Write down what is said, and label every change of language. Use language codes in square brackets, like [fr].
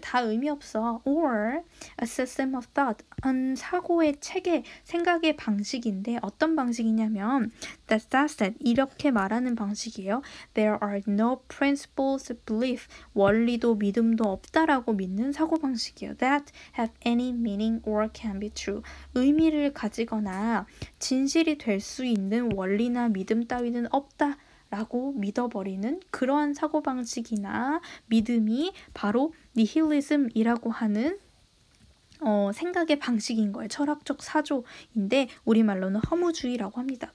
[ko] 다 의미 없어. [en] Or a system of thought. [ko] 사고의 체계, 생각의 방식인데 어떤 방식이냐면 [en] That's it. [ko] 이렇게 말하는 방식이에요. [en] There are no principles of belief. [ko] 원리도 믿음도 없다라고 믿는 사고방식이에요. [en] That have any meaning or can be true. [ko] 의미를 가지거나 진실이 될 수 있는 원리나 믿음 따위는 없다라고 믿어버리는 그러한 사고방식이나 믿음이 바로 nihilism이라고 하는 생각의 방식인 거예요. 철학적 사조인데 우리말로는 허무주의라고 합니다.